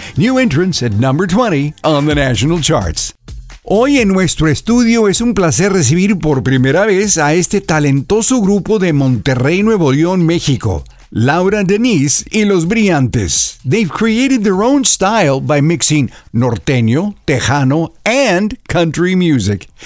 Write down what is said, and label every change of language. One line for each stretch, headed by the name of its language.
English: New entrance at number 20 on the national charts.
Spanish: Hoy en nuestro estudio es un placer recibir por primera vez a este talentoso grupo de Monterrey, Nuevo León, México. Laura Denise y Los Brillantes.
English: They've created their own style by mixing norteño, tejano, and country music.